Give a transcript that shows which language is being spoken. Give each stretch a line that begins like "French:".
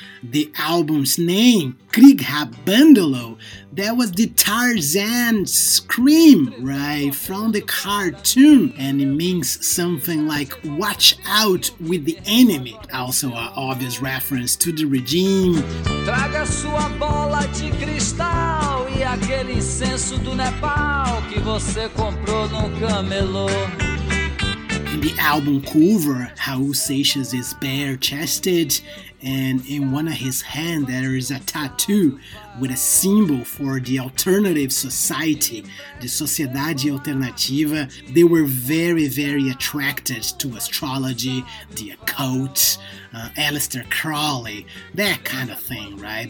English: The album's name, Krieg hat Bandolo, that was the Tarzan scream, right, from the cartoon, and it means something like watch out with the enemy, also an obvious reference to the regime.
Portuguese: Traga sua bola de cristal e aquele incenso do Nepal que você comprou num camelô.
English: In the album cover, Raul Seixas is bare-chested, and in one of his hands there is a tattoo with a symbol for the alternative society, the Sociedade Alternativa. They were very, very attracted to astrology, the occult, Aleister Crowley, that kind of thing, right?